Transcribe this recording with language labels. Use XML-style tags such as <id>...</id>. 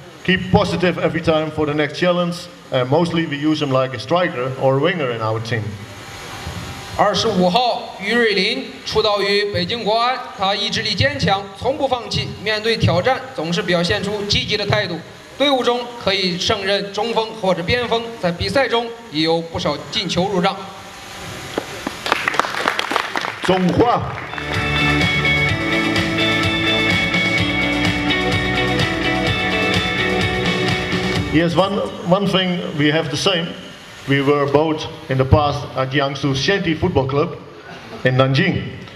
<en>Keep positive every time for the next challenge, and mostly we use him like a striker or a winger in our team.</en> <zh>25号 于瑞林 出道于北京国安, 他意志力坚强, 从不放弃, 面对挑战, 总是表现出积极的态度, 队伍中可以胜任中锋或者边锋, 在比赛中, 也有不少进球入账。中华</zh> <en>Yes, one thing we have the same. We were both in the past at Jiangsu Shenti Football Club in Nanjing.</en>